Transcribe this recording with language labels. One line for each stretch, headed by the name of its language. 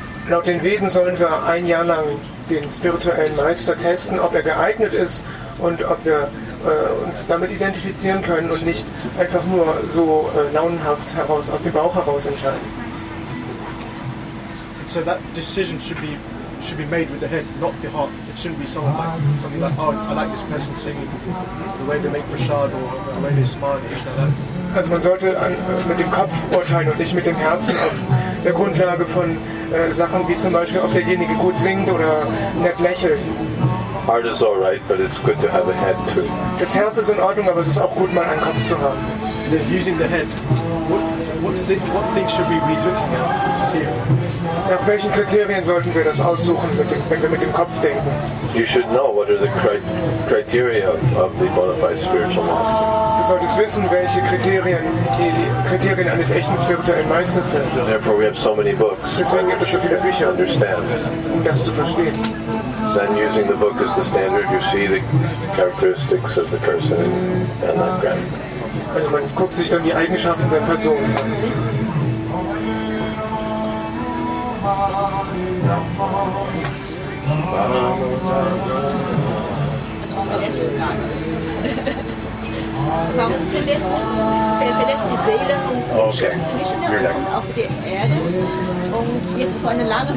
German: Laut den Veden sollen wir ein Jahr lang den spirituellen Meister testen, ob er geeignet ist und ob wir uns damit identifizieren können und nicht einfach nur so launenhaft heraus aus dem Bauch heraus entscheiden.
English: So that decision should be made with the head, not the heart. It shouldn't be something like, oh, I like this person singing, the way they make prasad or the way they smile, things like that.
German: Also man sollte mit dem Kopf urteilen und nicht mit dem Herzen auf der Grundlage von Sachen wie zum Beispiel, ob derjenige gut singt oder nett lächelt.
English: Heart is all right, but it's good to have a head too.
German: Das Herz ist in Ordnung, aber es ist auch gut, mal einen Kopf zu haben.
English: And if using the head, what things should we be looking at to see?
German: Nach welchen Kriterien sollten wir das aussuchen, wenn wir mit dem Kopf denken?
English: You should know what are the criteria of the bona fide spiritual master.
German: Du solltest wissen, welche Kriterien die Kriterien eines echten spirituellen Meisters sind.
English: Therefore we have so many books.
German: Deswegen gibt es so viele Bücher.
English: Understand.
German: Um das zu verstehen.
English: Then using the book as the standard, you see the characteristics of the person and that grant.
German: Also man guckt sich dann die Eigenschaften der Person an. Warum verlässt die Seele von Krishna auf die Erde? Und jetzt ist so eine lange Weg.